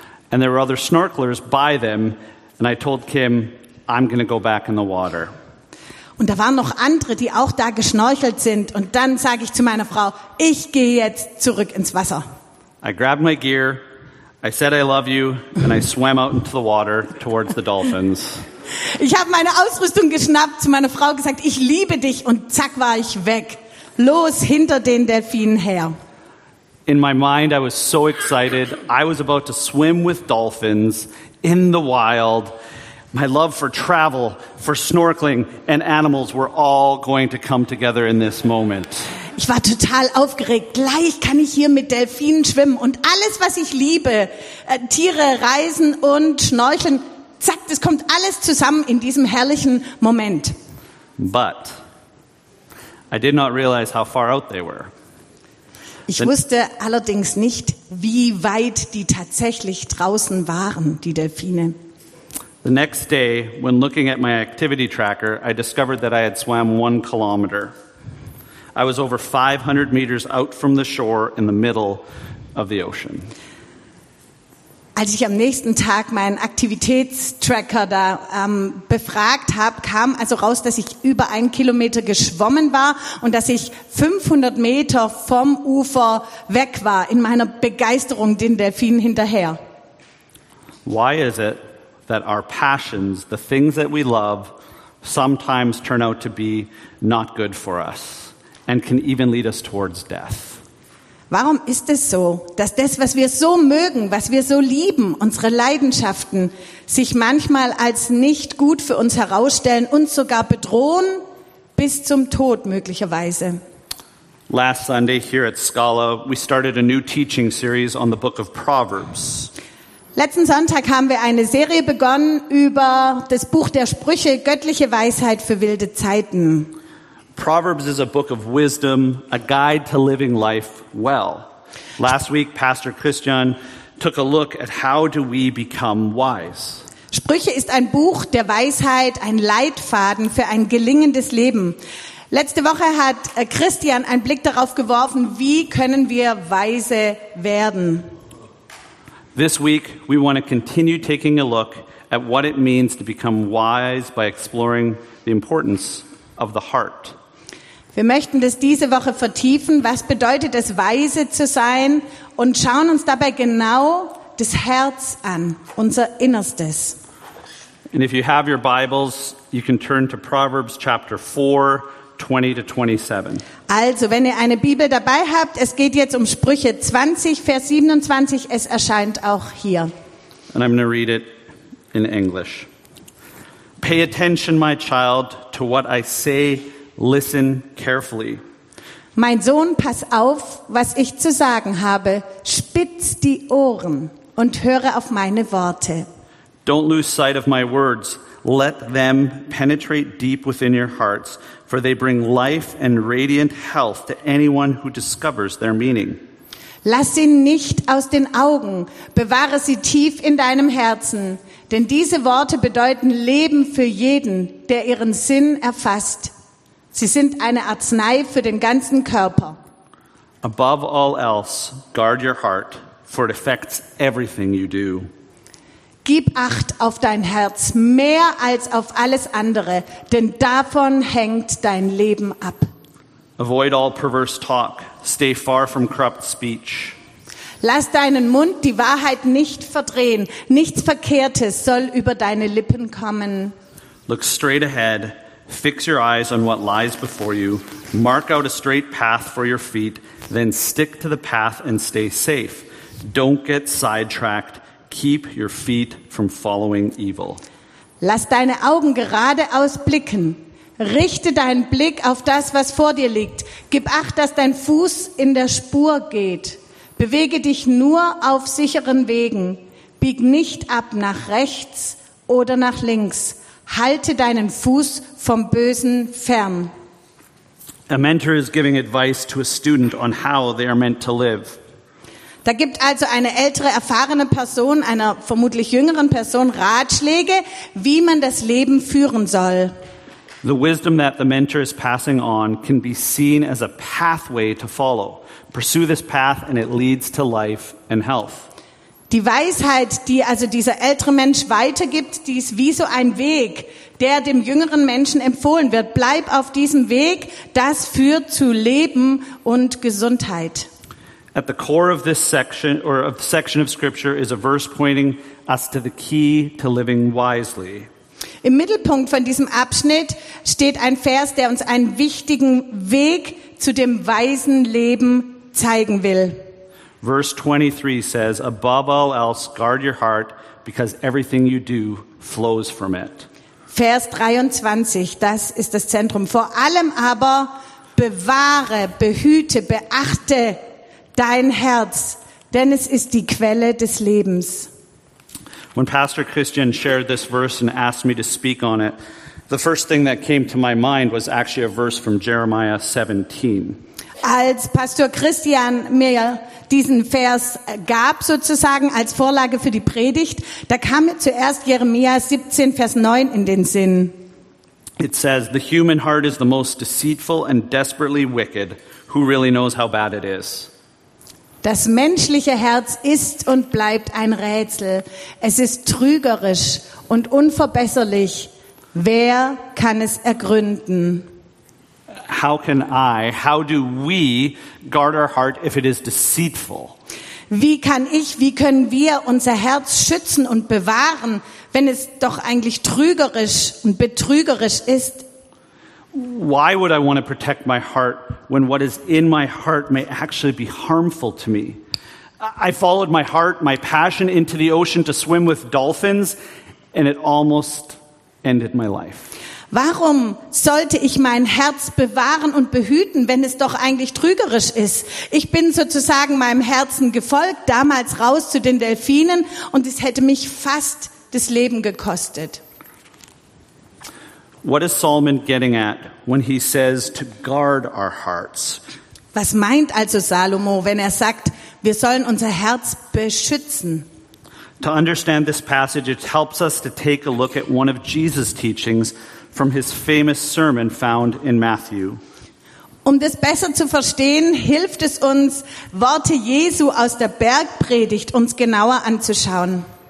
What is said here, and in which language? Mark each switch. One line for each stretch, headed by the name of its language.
English: And there were other snorkelers by them, and I told Kim, I'm going to go back in the water.
German: Und da waren noch andere, die auch da geschnorchelt sind. Und dann sage ich zu meiner Frau, ich gehe jetzt zurück ins Wasser.
English: I grabbed my gear, I said I love you, and I swam out into the water towards the dolphins.
German: Ich habe meine Ausrüstung geschnappt, zu meiner Frau gesagt, ich liebe dich, und zack war ich weg. Los hinter den Delfinen her.
English: In my mind I was so excited. I was about to swim with dolphins in the wild. My love for travel, for snorkeling and animals were all going to come together in this moment.
German: Ich war total aufgeregt. Gleich kann ich hier mit Delfinen schwimmen und alles was ich liebe, Tiere, Reisen und Schnorcheln, zack, das kommt alles zusammen in diesem herrlichen Moment.
English: But I did not realize how far out they were.
German: Ich wusste allerdings nicht, wie weit die tatsächlich draußen waren, die Delfine.
English: The next day, when looking at my activity tracker, I discovered that I had swam 1 kilometer. I was over 500 meters out from the shore in the middle of the ocean.
German: Als ich am nächsten Tag meinen Aktivitätstracker da befragt habe, kam also raus, dass ich über 1 Kilometer geschwommen war und dass ich 500 Meter vom Ufer weg war, in meiner Begeisterung den Delfinen hinterher.
English: Why is it that our passions, the things that we love, sometimes turn out to be not good for us and can even lead us towards death?
German: Warum ist es so, dass das, was wir so mögen, was wir so lieben, unsere Leidenschaften, sich manchmal als nicht gut für uns herausstellen und sogar bedrohen, bis zum Tod möglicherweise?
English: Last Sunday here at Scala, we started a new teaching series on the book of Proverbs.
German: Letzten Sonntag haben wir eine Serie begonnen über das Buch der Sprüche, göttliche Weisheit für wilde Zeiten.
English: Proverbs is a book of wisdom, a guide to living life well. Last week, Pastor Christian took a look at how do we become wise.
German: Sprüche ist ein Buch der Weisheit, ein Leitfaden für ein gelingendes Leben. Letzte Woche hat Christian einen Blick darauf geworfen, wie können wir weise werden.
English: This week, we want to continue taking a look at what it means to become wise by exploring the importance of the heart.
German: Wir möchten das diese Woche vertiefen, was bedeutet es, weise zu sein, und schauen uns dabei genau das Herz an, unser Innerstes.
English: And if you have your Bibles, you can turn to Proverbs chapter 4, 20 to 27.
German: Also, wenn ihr eine Bibel dabei habt, es geht jetzt um Sprüche 20, Vers 27, es erscheint auch hier.
English: And I'm going to read it in English. Pay attention, my child, to what I say. Listen carefully.
German: Mein Sohn, pass auf, was ich zu sagen habe. Spitz die Ohren und höre auf meine Worte.
English: Don't lose sight of my words. Let them penetrate deep within your hearts, for they bring life and radiant health to anyone who discovers their meaning.
German: Lass sie nicht aus den Augen. Bewahre sie tief in deinem Herzen, denn diese Worte bedeuten Leben für jeden, der ihren Sinn erfasst. Sie sind eine Arznei für den ganzen Körper.
English: Above all else, guard your heart, for it affects everything you do.
German: Gib Acht auf dein Herz, mehr als auf alles andere, denn davon hängt dein Leben ab.
English: Avoid all perverse talk, stay far from corrupt speech.
German: Lass deinen Mund die Wahrheit nicht verdrehen. Nichts Verkehrtes soll über deine Lippen kommen.
English: Look straight ahead. Fix your eyes on what lies before you. Mark out a straight path for your feet. Then stick to the path and stay safe. Don't get sidetracked. Keep your feet from following evil.
German: Lass deine Augen geradeaus blicken. Richte deinen Blick auf das, was vor dir liegt. Gib Acht, dass dein Fuß in der Spur geht. Bewege dich nur auf sicheren Wegen. Bieg nicht ab nach rechts oder nach links. Halte deinen Fuß vom Bösen fern.
English: A mentor is giving advice to a student on how they are meant to live.
German: Da gibt also eine ältere, erfahrene Person, einer vermutlich jüngeren Person, Ratschläge, wie man das Leben führen soll.
English: The wisdom that the mentor is passing on can be seen as a pathway to follow. Pursue this path and it leads to life and health.
German: Die Weisheit, die also dieser ältere Mensch weitergibt, die ist wie so ein Weg, der dem jüngeren Menschen empfohlen wird. Bleib auf diesem Weg, das führt zu Leben und Gesundheit.
English: At the core of this section, or of the section of scripture, is a verse pointing us to the key to living wisely.
German: Im Mittelpunkt von diesem Abschnitt steht ein Vers, der uns einen wichtigen Weg zu dem weisen Leben zeigen will.
English: Verse 23 says, above all else, guard your heart, because everything you do flows from it.
German: Vers 23, das ist das Zentrum. Vor allem aber bewahre, behüte, beachte dein Herz, denn es ist die Quelle des Lebens.
English: When Pastor Christian shared this verse and asked me to speak on it, the first thing that came to my mind was actually a verse from Jeremiah 17.
German: Als Pastor Christian mir diesen Vers gab, sozusagen als Vorlage für die Predigt, da kam mir zuerst Jeremia 17, Vers 9 in den Sinn.
English: It says, the human heart is the most deceitful and desperately wicked. Who really knows how bad it is?
German: Das menschliche Herz ist und bleibt ein Rätsel. Es ist trügerisch und unverbesserlich. Wer kann es ergründen?
English: How can I, how do we guard our heart if it is deceitful?
German: Wie kann ich, wie können wir unser Herz schützen und bewahren, wenn es doch eigentlich trügerisch und betrügerisch ist?
English: Why would I want to protect my heart when what is in my heart may actually be harmful to me? I followed my heart, my passion into the ocean to swim with dolphins and it almost ended my life.
German: Warum sollte ich mein Herz bewahren und behüten, wenn es doch eigentlich trügerisch ist? Ich bin sozusagen meinem Herzen gefolgt, damals raus zu den Delfinen, und es hätte mich fast das Leben gekostet.
English: What is Solomon getting at when he says to guard our hearts?
German: Was meint also Salomo, wenn er sagt, wir sollen unser Herz beschützen?
English: To understand this passage, it helps us to take a look at one of Jesus' teachings from his famous sermon found in Matthew.
German: Um das besser zu verstehen, hilft es uns, Worte Jesu aus der Bergpredigt uns genauer anzuschauen.